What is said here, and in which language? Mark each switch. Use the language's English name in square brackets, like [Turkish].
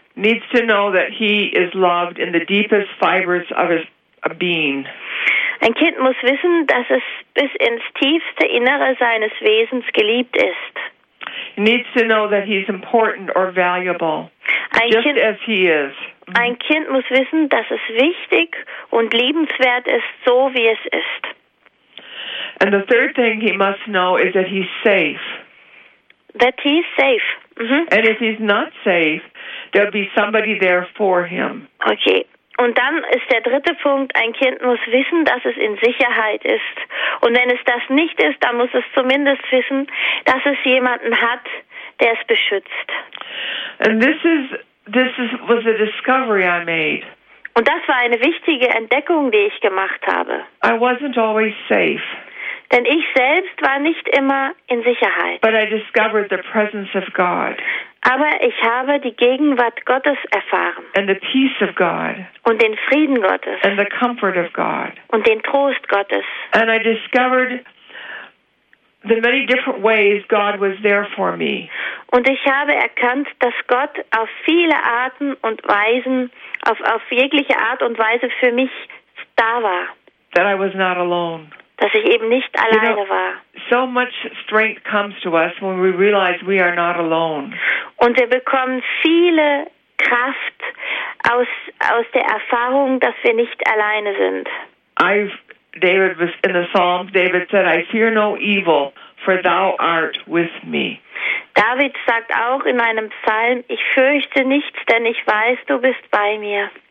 [English] Needs to know that he is loved in the deepest fibers of his being. [German] Ein Kind muss wissen, dass es bis ins tiefste Innere seines Wesens geliebt ist. [English] Needs to know that he's important or valuable, just as he is. [German] Ein Kind muss wissen, dass es wichtig und liebenswert ist, so wie es ist. [English] And the third thing he must know is that he's safe. That he's safe. Mm-hmm. And if he's not safe, there'll be somebody there for him. Okay. [German] Und dann ist der dritte Punkt, ein Kind muss wissen, dass es in Sicherheit ist. Und wenn es das nicht ist, dann muss es zumindest wissen, dass es jemanden hat, der es beschützt. [English] And this was a discovery I made. [German] Und das war eine wichtige Entdeckung, die ich gemacht habe. [English] I wasn't always safe. [German] Denn ich selbst war nicht immer in Sicherheit. [English] But I discovered the presence of God. [German] Aber ich habe die Gegenwart Gottes erfahren. [English] And the peace of God. [German] Und den Frieden Gottes. [English] And the comfort of God. [German] Und den Trost Gottes. [English] And I discovered the many different ways God was there for me. [German] Und ich habe erkannt, dass Gott auf viele Arten und Weisen, auf jegliche Art und Weise für mich da war. [English] That I was not alone. [German] Dass ich eben nicht alleine war. [English] So much strength comes to us when we realize we are not alone. [German] Und wir bekommen viele Kraft aus der Erfahrung, dass wir nicht alleine sind. [English] David was in the Psalms. David said, "I fear no evil, for Thou art with me." [German] David sagt auch in einem Psalm, "Ich fürchte nichts, denn ich weiß, Du bist bei mir."